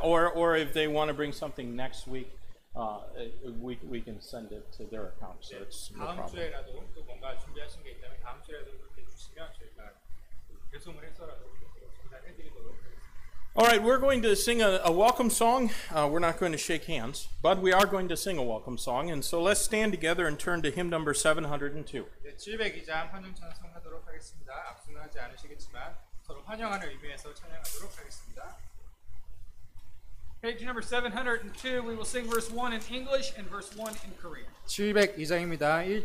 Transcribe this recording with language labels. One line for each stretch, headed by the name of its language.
English: Or if they want to bring something next week, we can send it to their account. So 네, it's no problem.
Korean: 다음 주에라도 또 뭔가 준비하신 게 있다면 다음 주에라도 그렇게 주시면 저희가 배송을 해서라도 전달해드리도록 하겠습니다.
English: All right, we're going to sing a welcome song. We're not going to shake hands, but we are going to sing a welcome song. And so let's stand together and turn to hymn number 702.
Korean: 네, 702장 환영 찬송하도록 하겠습니다. 앞서나지 않으시겠지만 서로 환영하는 의미에서 찬양하도록 하겠습니다.
English: Page number 702, we will sing verse 1 in English and verse 1 in Korean.
Korean: 702장입니다.